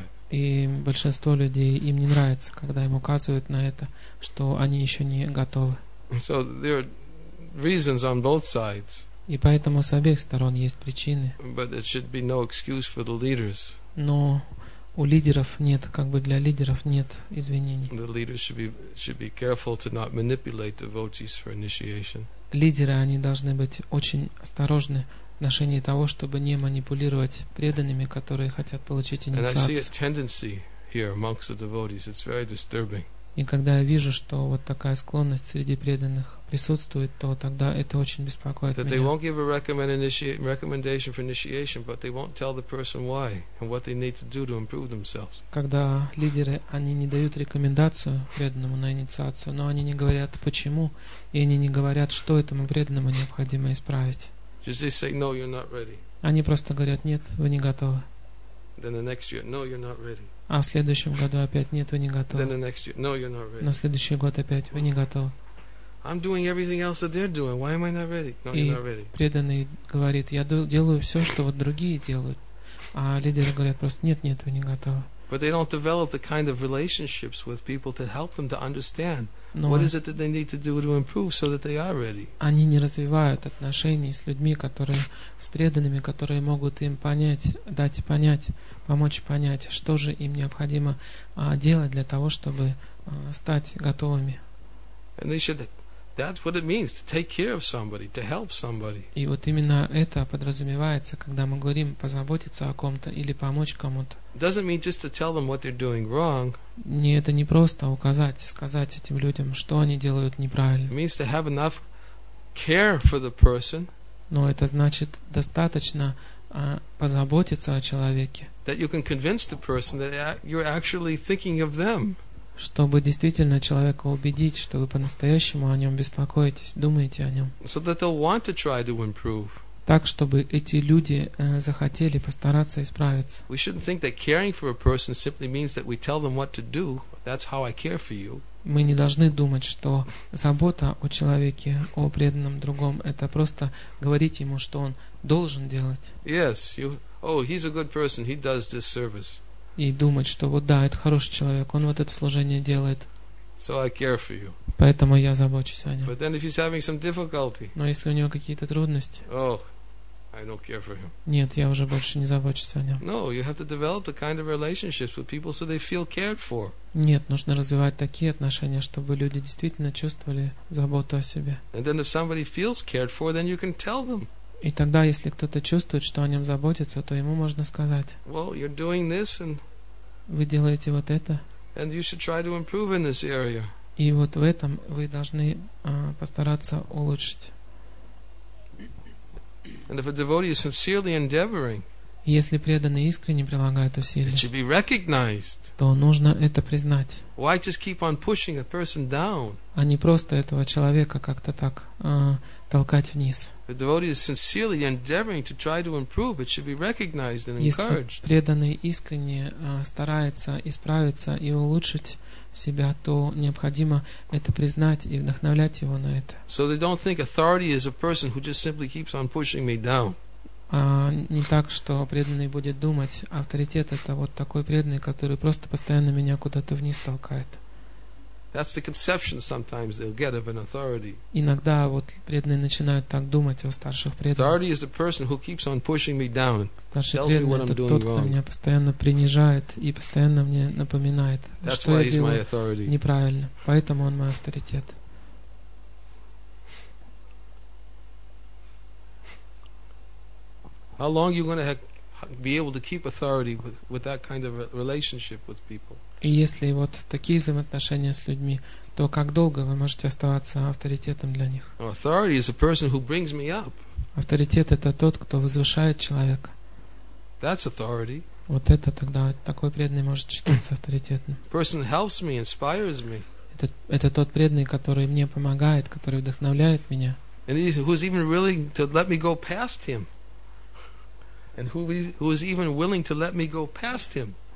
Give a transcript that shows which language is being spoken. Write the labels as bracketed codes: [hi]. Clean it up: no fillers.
[ru] И большинство людей, им не нравится, когда им указывают на это, что они еще не готовы. [en] So there are reasons on both sides. [ru] И поэтому с обеих сторон есть причины. [en] But it should be no excuse for the leaders. [ru] Но у лидеров нет, как бы для лидеров нет извинений. [en] The leaders should be careful to not manipulate devotees for initiation. [ru] Лидеры, они должны быть очень осторожны в отношении того, чтобы не манипулировать преданными, которые хотят получить инициацию. [en] And I see a tendency here amongst the devotees. It's very disturbing. [ru] И когда я вижу, что вот такая склонность среди преданных присутствует, то тогда это очень беспокоит [en] that [ru] меня. [en] They won't give a recommendation for initiation, but they won't tell the person why and what they need to do to improve themselves. [ru] Когда лидеры, они не дают рекомендацию преданному на инициацию, но они не говорят почему, и они не говорят, что этому преданному необходимо исправить. [en] Just they say, no, you're not ready. [ru] Они просто говорят, нет, вы не готовы. [en] Then the next year, no, you're not ready. [ru] А в следующем году опять нет, вы не готовы. [en] Then the next year, no, you're not ready. [ru] На следующий год опять вы не готовы. [en] I'm doing everything else that they're doing. Why am I not ready? No, [ru] и [en] you're not ready. [ru] Преданный говорит, я делаю все, что вот другие делают. А лидеры говорят просто, нет, вы не готовы. [en] But they don't develop the kind of relationships with people to help them to understand what is it that they need to do to improve so that they are ready. [ru] Они не развивают отношений с людьми, которые с преданными, которые могут им помочь понять, что же им необходимо делать для того, чтобы стать готовыми. [en] And they should That's what it means to take care of somebody, to help somebody. [ru] И вот именно это подразумевается, когда мы говорим позаботиться о ком-то или помочь кому-то. [en] Doesn't mean just to tell them what they're doing wrong. [ru] Не, это не просто указать, сказать этим людям, что они делают неправильно. [en] It means to have enough care for the person. [ru] Но это значит достаточно позаботиться о человеке. [en] That you can convince the person that you're actually thinking of them. [ru] Чтобы действительно человека убедить, что вы по-настоящему о нем беспокоитесь, думаете о нем. [en] So that they'll want to try to improve. [ru] Так, чтобы эти люди захотели постараться исправиться. [en] We shouldn't think that caring for a person simply means that we tell them what to do. That's how I care for you. [ru] Мы не должны думать, что забота о человеке, о преданном другом, это просто говорить ему, что он должен делать. [en] Yes, you. Oh, he's a good person. He does this service. [ru] И думать, что вот да, это хороший человек, он вот это служение делает. [en] So I care for you. [ru] Поэтому я забочусь о нем. [en] But then if he's having some difficulty, [ru] но если у него какие-то трудности, [en] oh, I don't care for him. [ru] Нет, я уже больше не забочусь о нем. [en] No, you have to develop the kind of relationships with people so they feel cared for. [ru] Нет, нужно развивать такие отношения, чтобы люди действительно чувствовали заботу о себе. [en] And then if somebody feels cared for, then you can tell them. [ru] И тогда, если кто-то чувствует, что о нем заботится, то ему можно сказать, [en] well, you're doing this, and [ru] вы делаете вот это, [en] and you should try to improve in this area. [ru] И вот в этом вы должны постараться улучшить. [en] And if a devotee is sincerely endeavoring, [ru] если преданный искренне прилагает усилия, [en] it should be recognized. [ru] То нужно это признать. [en] Why just keep on pushing a person down? [ru] А не просто этого человека как-то так толкать вниз. [en] The devotee is sincerely endeavoring to try to improve. It should be recognized and encouraged. [ru] Если преданный искренне старается исправиться и улучшить себя, то необходимо это признать и вдохновлять его на это. [en] So they don't think authority is a person who just simply keeps on pushing me down. [ru] Не так, что преданный будет думать, авторитет — это вот такой преданный, который просто постоянно меня куда-то вниз толкает. [en] That's the conception sometimes they'll get of an authority. [ru] Иногда вот преданные начинают так думать о старших преданных. [en] Authority is the person who keeps on pushing me down. [ru] Старший преданный — это тот, кто меня постоянно принижает и постоянно мне напоминает, что я делаю неправильно. Поэтому он мой авторитет. [en] How long are you going to be able to keep authority with that kind of relationship with people? [ru] И если вот такие взаимоотношения с людьми, то как долго вы можете оставаться авторитетом для них? [en] Authority is a person who brings me up. [ru] Авторитет — это тот, кто возвышает человека. [en] That's authority. [ru] Вот это тогда такой преданный может считаться авторитетным. [en] Person helps me, inspires me. [ru] Это тот преданный, который мне помогает, который вдохновляет меня. [en] And who's even willing to let me go past him? And who is even willing to let me go past him?